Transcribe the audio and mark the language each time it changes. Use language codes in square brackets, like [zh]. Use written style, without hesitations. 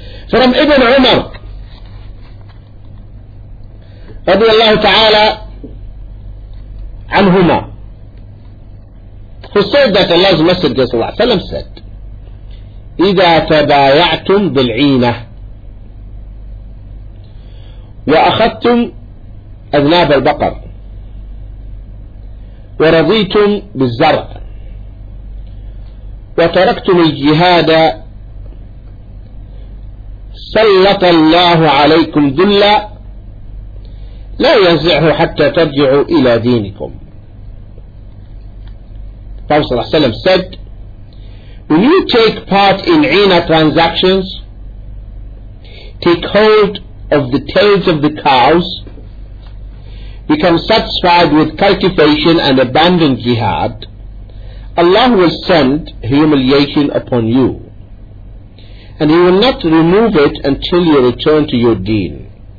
[en] From Ibn Umar رضي الله تعالى عنهما, who said that Allah's Messenger ﷺ said, [ar] إذا تبايعتم بالعينة وأخذتم أذناب البقر ورضيتم بالزرع وتركتم الجهاد سلط الله عليكم ذلا لا ينزعه حتى ترجعوا إلى دينكم. [en] فصلى الله عليه وسلم said, when you take part in عينة transactions, take hold of the tails of the cows, become satisfied with cultivation and abandon jihad, Allah will send humiliation upon you, and He will not remove it until you return to your deen.